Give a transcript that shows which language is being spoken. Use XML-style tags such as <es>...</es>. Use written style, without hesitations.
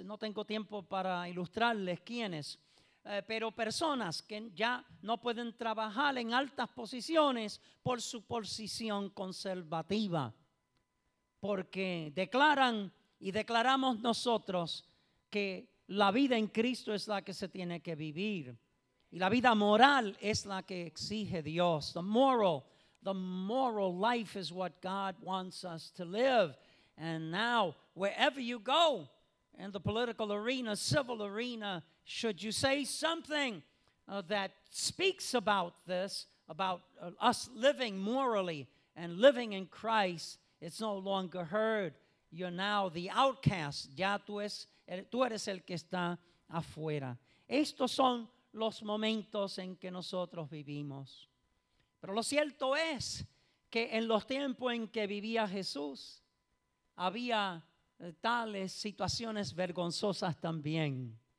<es>No tengo tiempo para ilustrarles quiénes, pero personas que ya no pueden trabajar en altas posiciones por su posición conservativa, porque declaran y declaramos nosotros que la vida en Cristo es la que se tiene que vivir y la vida moral es la que exige Dios.</es> <en>The moral life is what God wants us to live. And now, wherever you go in the political arena, civil arena, should you say something that speaks about this, about us living morally and living in Christ, it's no longer heard. You're now the outcast.</en> <es>Ya tú eres el que está afuera. Estos son los momentos en que nosotros vivimos. Pero lo cierto es que en los tiempos en que vivía Jesús, había tales situaciones vergonzosas también.</es>